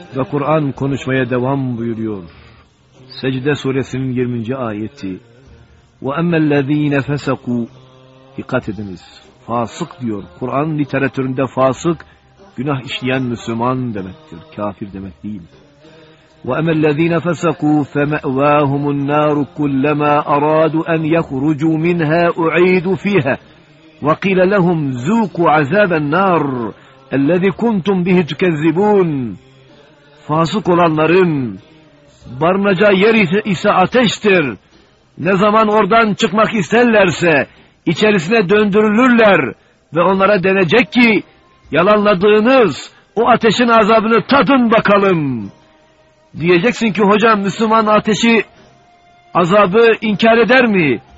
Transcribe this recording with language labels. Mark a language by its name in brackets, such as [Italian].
[Turkish] Kur'an konuşmaya devam buyuruyor. Secde suresinin 20. ayeti. [Arabic] وَاَمَّا الَّذ۪ينَ فَسَقُوا [Turkish] Dikkat ediniz. Fasık diyor. Kur'an literatüründe fasık, günah işleyen Müslüman demektir. Kafir demek değil. [Arabic] وَاَمَّا الَّذ۪ينَ فَسَقُوا فَمَأْوَاهُمُ النَّارُ كُلَّمَا أَرَادُوا أَنْ يَخْرُجُوا مِنْهَا اُعِيدُوا فِيهَا وَقِيلَ لَهُمْ زُوكُوا عَذَابَ النَّارِ الَّذِي كُنْتُمْ بِهِ تُكَذِّبُونَ [Turkish] Fasık olanların barınacağı yer ise ateştir. Ne zaman oradan çıkmak isterlerse içerisine döndürülürler ve onlara denecek ki yalanladığınız o ateşin azabını tadın bakalım. Diyeceksin ki hocam Müslüman ateşi azabı inkar eder mi?